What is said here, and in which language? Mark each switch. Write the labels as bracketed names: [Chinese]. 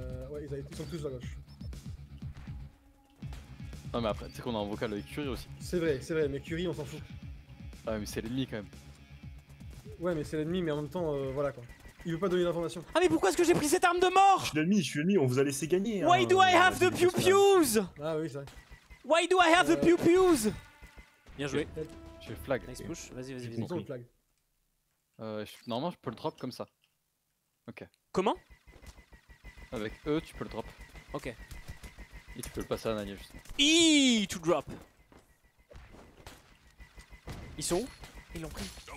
[French] Ouais, ils sont tous à gauche. Non mais après, tu sais qu'on a un vocal avec Curie aussi. C'est vrai, mais Curie, on s'en fout. Ah mais c'est l'ennemi quand même. Ouais mais c'est l'ennemi, mais en même temps, voilà quoi. Il veut pas donner d'informations. Ah mais pourquoi est-ce que j'ai pris cette arme de mort? Je suis l'ennemi, on vous a laissé gagner. [English] Why do I have the pew-pews? [French] Ah oui, c'est vrai. [English] Why do I have the pew-pews? [French] Bien joué. Je vais flag. [English] Nice push, vas-y. [French] Ils ont le flag. Normalement, je peux le drop comme ça. Ok. Comment? Avec eux, tu peux le drop. Ok. Et tu peux le passer à Nania justement. [English] Eeeeee, to drop. [French] Ils sont où? Ils l'ont pris.